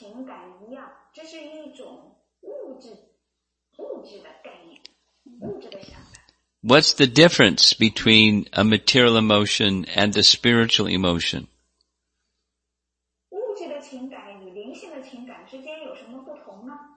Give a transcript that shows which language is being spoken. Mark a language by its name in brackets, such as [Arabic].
[Chinese] 情感一样，这是一种物质的概念，物质的想法。 [English] What's the difference between a material emotion and a spiritual emotion? [Chinese] 物质的情感与灵性的情感之间有什么不同呢？